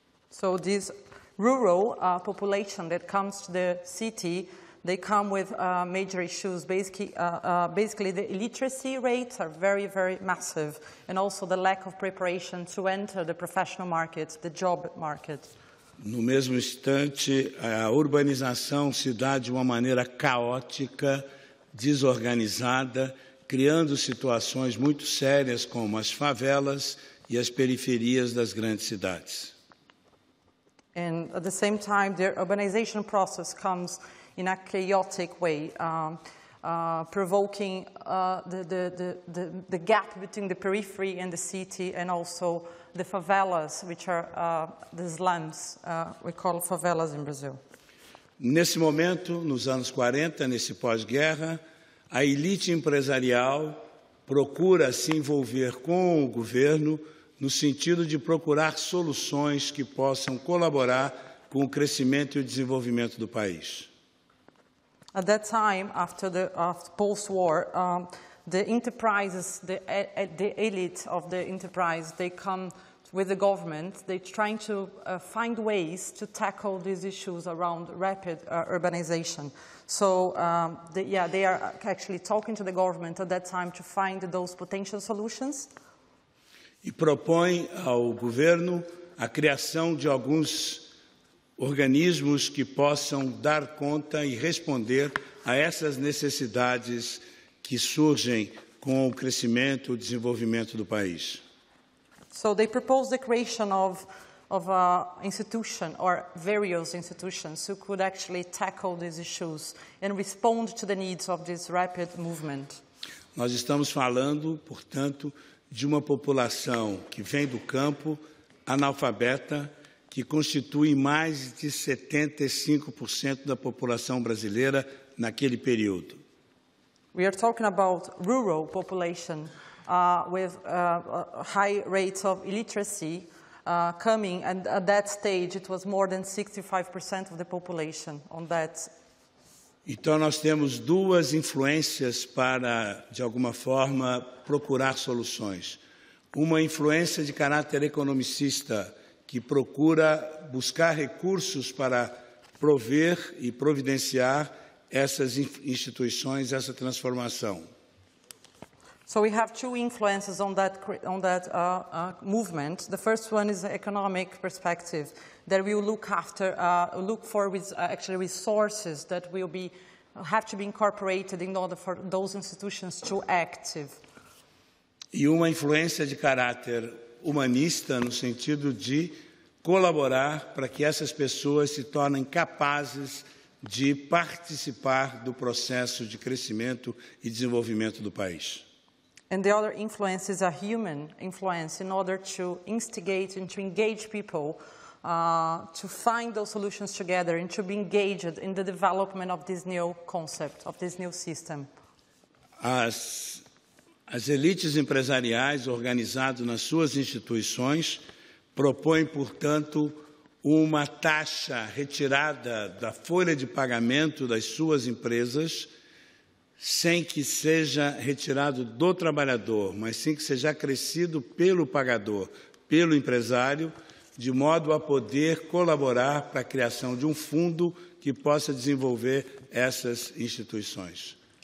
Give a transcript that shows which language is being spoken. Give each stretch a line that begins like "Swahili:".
English: So this rural population that comes to the city, they come with major issues. Basically, the illiteracy rates are very, very massive, and also the lack of preparation to enter the professional market, the job market.
Portuguese: No mesmo instante, a urbanização se dá de uma maneira caótica, desorganizada, criando situações muito sérias como as favelas e as periferias das grandes cidades.
English: And at the same time, the urbanization process comes in a chaotic way, provoking the gap between the periphery and the city, and also the favelas, which are the slums, we call favelas in Brazil.
Portuguese: Nesse momento, nos anos 40, nesse pós-guerra, a elite empresarial procura se envolver com o governo no sentido de procurar soluções que possam colaborar com o crescimento e o desenvolvimento do país.
English: At that time, after the post-war, the enterprises, the elite of the enterprise, they come with the government, they're trying to find ways to tackle these issues around rapid urbanization. So, they are actually talking to the government at that time to find those potential solutions.
Portuguese: E propõe ao governo a criação de alguns organismos que possam dar conta e responder a essas necessidades que surgem com o crescimento e o desenvolvimento do país.
English: So they propose the creation of a institution or various institutions who could actually tackle these issues and respond to the needs of this rapid movement.
Portuguese: Nós estamos falando, portanto, de uma população que vem do campo, analfabeta, que constitui mais de 75% da população brasileira naquele período.
English: We are talking about rural population with high rates of illiteracy coming, and at that stage it was more than 65% of the population on that.
Portuguese: Então nós temos duas influências para, de alguma forma, procurar soluções. Uma influência de caráter economicista, que procura buscar recursos para prover e providenciar essas instituições, essa transformação.
English: So we have two influences on that movement. The first one is the economic perspective that we will look after, look for actually resources that will be have to be incorporated in order for those institutions to active.
Portuguese: E uma influência de caráter humanista no sentido de colaborar para que essas pessoas se tornem capazes de participar do processo de crescimento e desenvolvimento do país.
English: And the other influence is a human influence in order to instigate and to engage people to find those solutions together and to be engaged in the development of this new concept, of this new system.
Portuguese: As elites empresariais organizadas nas suas instituições propõe, portanto, uma taxa retirada da folha de pagamento das suas empresas, sem que seja retirado do trabalhador, mas sim que seja acrescido pelo pagador, pelo empresário, de modo a poder colaborar para a criação de um fundo que possa desenvolver essas instituições.